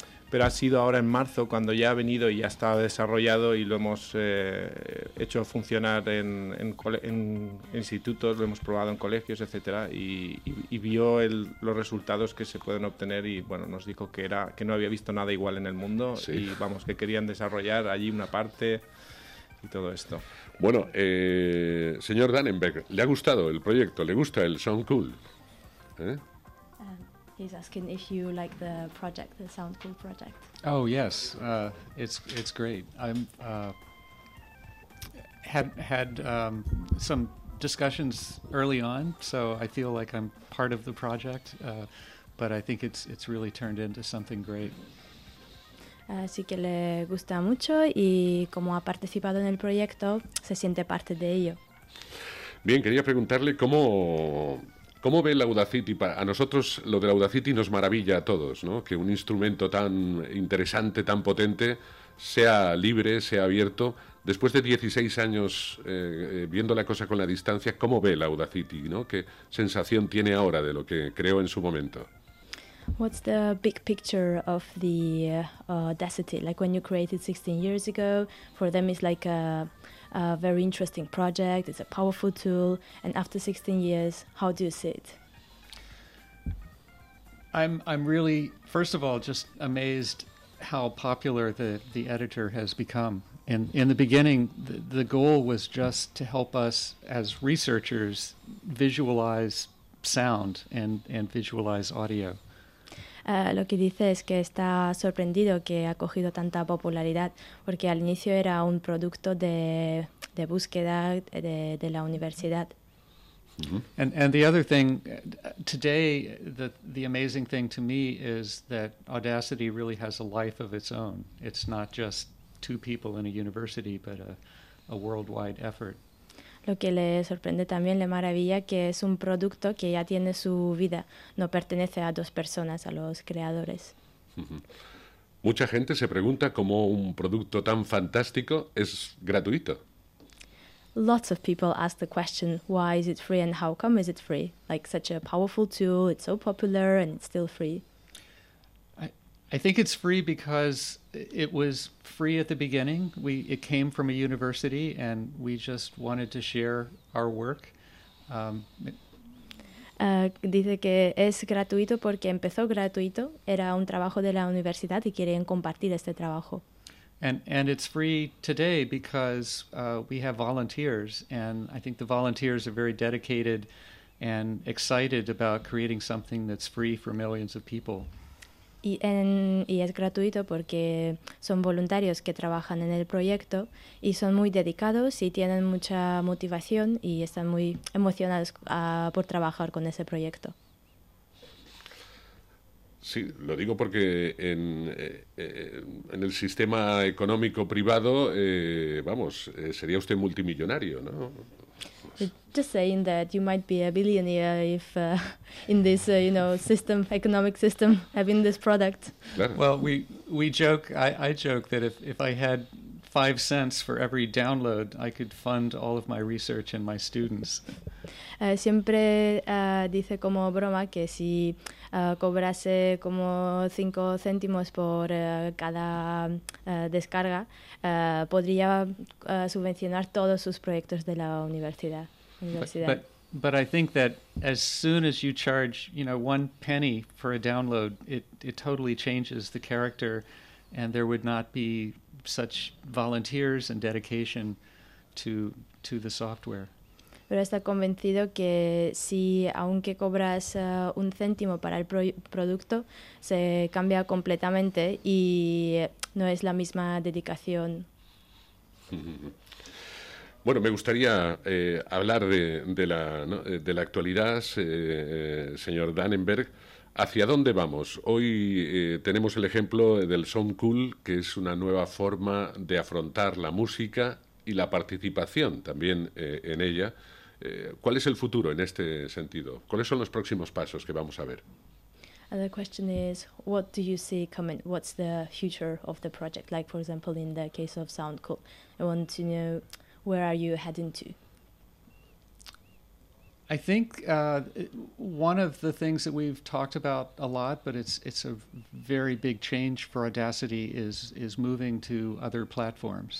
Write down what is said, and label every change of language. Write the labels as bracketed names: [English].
[Spanish] Pero ha sido ahora en marzo cuando ya ha venido y ya está desarrollado y lo hemos hecho funcionar en institutos, lo hemos probado en colegios, etcétera, y vio los resultados que se pueden obtener y, bueno, nos dijo que no había visto nada igual en el mundo. Sí. Y vamos, que querían desarrollar allí una parte y todo esto. Bueno, señor Dannenberg, ¿le ha gustado el proyecto? ¿Le gusta el SoundCool? [English] He's asking if you like the project, the SoundCool project. Oh yes, it's great. I'm had some discussions early on, so I feel like I'm part of the project, but I think it's really turned into something great. [Spanish] Así que le gusta mucho y como ha participado en el proyecto, se siente parte de ello. Bien, quería preguntarle ¿Cómo ve el Audacity? A nosotros lo del Audacity nos maravilla a todos, ¿no? Que un instrumento tan interesante, tan potente, sea libre, sea abierto. Después de 16 años viendo la cosa con la distancia, ¿cómo ve el Audacity, ¿no? ¿Qué sensación tiene ahora de lo que creó en su momento? [English] What's the big picture of the Audacity? Like when you created 16 years ago, for them it's like a very interesting project, it's a powerful tool, and after 16 years, how do you see it? I'm really, first of all, just amazed how popular the editor has become. And in the beginning, the goal was just to help us as researchers visualize sound and visualize audio. [Spanish] Lo que dice es que está sorprendido que ha cogido tanta popularidad, porque al inicio era un producto de búsqueda de la universidad. Mm-hmm. [English] And the other thing today, the amazing thing to me is that Audacity really has a life of its own. It's not just two people in a university, but a worldwide effort. [Spanish] Lo que le sorprende también, le maravilla, que es un producto que ya tiene su vida. No pertenece a dos personas, a los creadores. Mucha gente se pregunta cómo un producto tan fantástico es gratuito. [English] Lots of people ask the question, why is it free and how come is it free? Like such a powerful tool, it's so popular and it's still free. I think it's free because it was free at the beginning. It came from a university and we just wanted to share our work. [Spanish] Dice que es gratuito porque empezó gratuito, era un trabajo de la universidad y quieren compartir este trabajo. [English] And it's free today because we have volunteers, and I think the volunteers are very dedicated and excited about creating something that's free for millions of people. [Spanish] Y es gratuito porque son voluntarios que trabajan en el proyecto y son muy dedicados y tienen mucha motivación y están muy emocionados por trabajar con ese proyecto. Sí, lo digo porque en el sistema económico privado, sería usted multimillonario, ¿no? [English] Just saying that you might be a billionaire if in this system, economic system, having this product. [Spanish] Claro. [English] Well, we joke. I joke that if I had 5 cents for every download, I could fund all of my research and my students. [Spanish] Siempre dice como broma que si cobrase como 5 céntimos por cada descarga, podría subvencionar todos sus proyectos de la universidad. [English] But I think that as soon as you charge, one penny for a download, it totally changes the character, and there would not be such volunteers and dedication to the software. [Spanish] Pero está convencido que si aunque cobras un céntimo para el producto, se cambia completamente y no es la misma dedicación. Bueno, me gustaría hablar de la actualidad, señor Dannenberg. ¿Hacia dónde vamos? Hoy tenemos el ejemplo del Sound Cool, que es una nueva forma de afrontar la música y la participación también en ella. ¿Cuál es el futuro en este sentido? ¿Cuáles son los próximos pasos que vamos a ver? [English] And the question is, what do you see coming? What's the future of the project? Like, for example, in the case of Sound Cool, I want to know, where are you heading to? I think one of the things that we've talked about a lot, but it's a very big change for Audacity, is moving to other platforms.